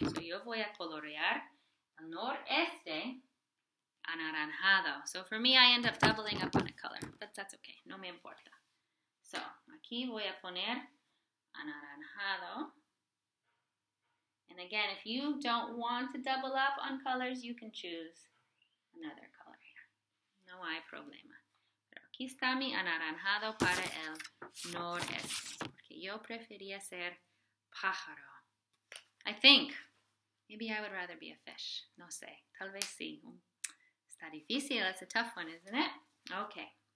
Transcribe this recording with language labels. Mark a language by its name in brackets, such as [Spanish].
[Spanish] So yo voy a colorear el noreste anaranjado. [English] So for me, I end up doubling up on a color, but that's okay. [Spanish] No me importa. So aquí voy a poner anaranjado. [English] And again, if you don't want to double up on colors, you can choose another color. [Spanish] No hay problema. Pero aquí está mi anaranjado para el noreste. Yo prefería ser pájaro. [English] I think. Maybe I would rather be a fish. [Spanish] No sé. Tal vez sí. Está difícil. [English] That's a tough one, isn't it? Okay.